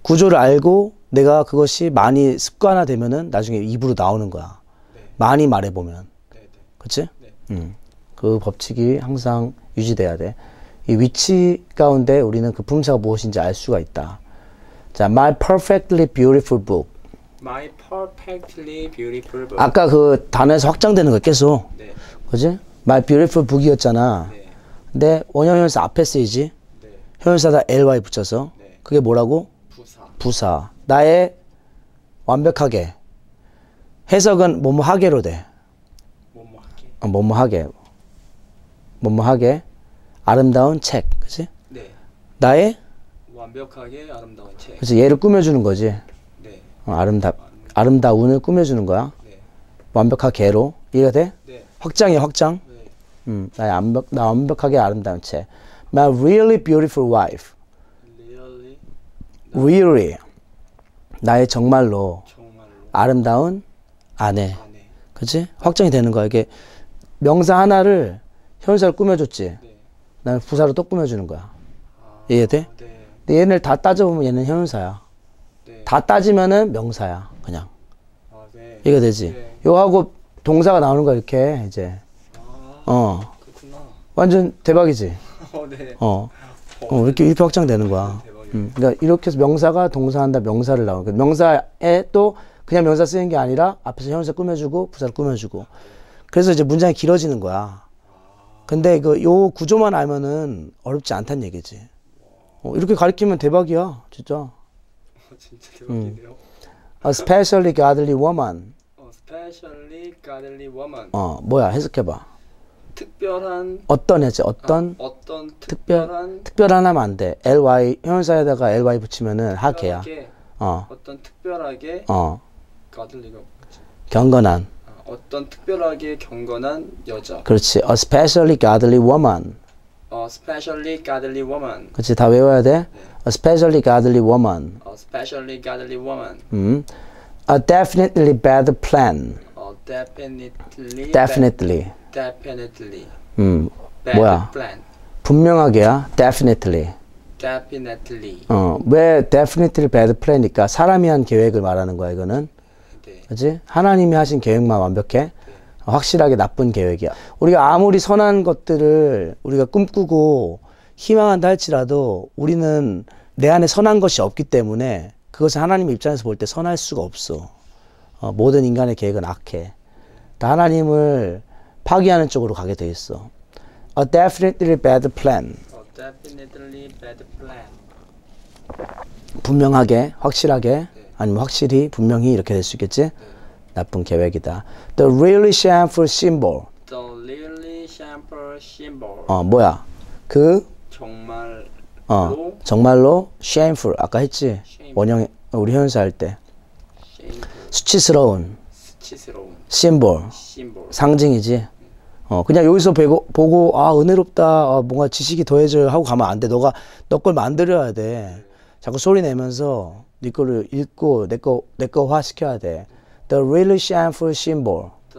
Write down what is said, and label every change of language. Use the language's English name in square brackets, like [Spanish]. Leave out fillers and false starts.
[Korean] 구조를 알고 내가 그것이 많이 습관화 되면은 나중에 입으로 나오는 거야. 네. 많이 말해 보면. 네, 네. 그치? 네. 그 법칙이 항상 유지돼야 돼. 이 위치 가운데 우리는 그 품사가 무엇인지 알 수가 있다. [English] 자, my perfectly beautiful book. My perfectly beautiful book. [Korean] 아까 그 단어에서 확장되는 거 계속. 네. 그지? [English] My beautiful book이었잖아. [Korean] 네. 근데 원형 형용사 앞에 쓰이지. 네. 형용사다 ly 붙여서. 네. 그게 뭐라고? 부사. 부사. 나의 완벽하게. 해석은 뭐뭐 하게로 돼. 뭐뭐 하게. 뭐뭐 하게. 뭐뭐 하게 아름다운 책, 그렇지? 네. 나의 완벽하게 아름다운 책. 그래서 얘를 꾸며주는 거지. 네. 어, 아름다운을 꾸며주는 거야. 네. 완벽하게로 이해가 돼? 네. 확장이야, 확장. 네. 나 완벽하게 아름다운 책. [English] My really beautiful wife. Really. [Korean] 나의 정말로, 정말로. 아름다운 아내. 아내. 그렇지? 확장이 되는 거야. 이게 명사 하나를 형용사를 꾸며줬지. 네. 나는 부사로 또 꾸며주는 거야. 아, 이해 돼? 네. 근데 얘네를 다 따져보면 얘는 형용사야. 네. 다 따지면은 명사야. 그냥. 아, 네. 이해가 되지? 네. 요하고 동사가 나오는 거야, 이렇게. 이제. 아, 그렇구나. 완전 대박이지? 어, 네. 이렇게 확장되는 거야. 그러니까 이렇게 해서 명사가 동사한다, 명사를 나오는 거야. 명사에 또 그냥 명사 쓰는 게 아니라 앞에서 형용사 꾸며주고 부사를 꾸며주고. 그래서 이제 문장이 길어지는 거야. 근데 그 요 구조만 알면은 어렵지 않단 얘기지. 어, 이렇게 가르치면 대박이야, 진짜. 진짜 대박이네요. [English] Especially godly woman. Especially godly woman. [Korean] 어, 뭐야? 해석해봐. 특별한. 어떤 애지? 어떤? 아, 어떤 특별한. 특별한 하면 안 돼. ly 형용사에다가 ly 붙이면은 하게야. 어. 어떤 특별하게. Godly가 붙지. 경건한. 아, 어떤 특별하게 경건한 여자. 그렇지. [English] A specially godly woman. A specially godly woman. [Korean] 그렇지. 다 외워야 돼. 네. [English] A specially godly woman. A specially godly woman. A definitely bad plan. A definitely Definitely. definitely [Korean] 뭐야? [English] bad plan. [Korean] 분명하게야. Definitely. [English] Definitely. [Korean] 왜 [English] definitely bad plan [Korean] 이니까 사람이 한 계획을 말하는 거야, 이거는. 그렇지? 하나님이 하신 계획만 완벽해. 확실하게 나쁜 계획이야. 우리가 아무리 선한 것들을 우리가 꿈꾸고 희망한다 할지라도 우리는 내 안에 선한 것이 없기 때문에 그것은 하나님 입장에서 볼때 선할 수가 없어. 모든 인간의 계획은 악해. 다 하나님을 파괴하는 쪽으로 가게 돼 있어. [English] A definitely bad plan. Definitely bad plan. [Korean] 분명하게, 확실하게, 아니면 확실히, 분명히 이렇게 될수 있겠지? 나쁜 계획이다. [English] The really shameful symbol. The really shameful symbol. [Korean] 뭐야? 그 정말로 정말로 shameful. 아까 했지? [English] shameful. [Korean] 원형 우리 현우 할때 [English] shameful. [Korean] 수치스러운 수치스러운 [English] symbol, symbol. [Korean] 상징이지. 그냥 여기서 보고 아 은혜롭다, 아, 뭔가 지식이 더해져요 하고 가면 안 돼. 너가 너걸 만들어야 돼. 자꾸 소리 내면서 네 거를 읽고 내거화 시켜야 돼. [English] The really shameful symbol.